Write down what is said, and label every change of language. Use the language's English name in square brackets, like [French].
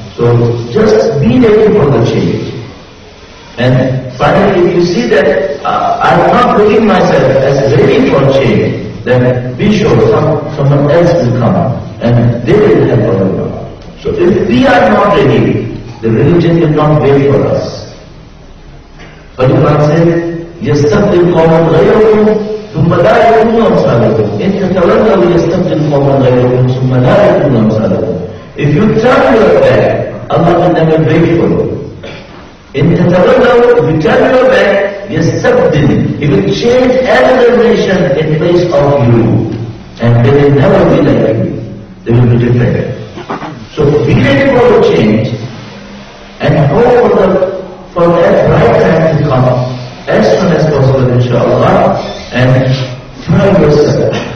[English] So just be ready for the change. And finally, if you see that I am not putting myself as ready for change, then be sure someone else will come and they will help us. So if we are not ready, the religion will not wait for us. But you can't say, [Arabic] يَسْتَبْدِلْ قَوْمًا غَيْرُكُمْ ثُمَّ لَا يَكُونُوا أَمْثَالَكُمْ إِنْ تَتَوَلَّوْا يَسْتَبْدِلْ قَوْمًا غَيْرُكُمْ ثُمَّ لَا يَكُونُوا أَمْثَالَكُمْ. [English] If you turn your back, Allah will never wait for you. [Arabic] إِنْ تَتَوَلَّوْا, [English] if you turn your back, يَسْتَبْدِلْ, He will change another nation in place of you. And they will never be like you. They will be different. So be ready for the change and hope for that right time to come as soon as possible, inshallah, and try yourself.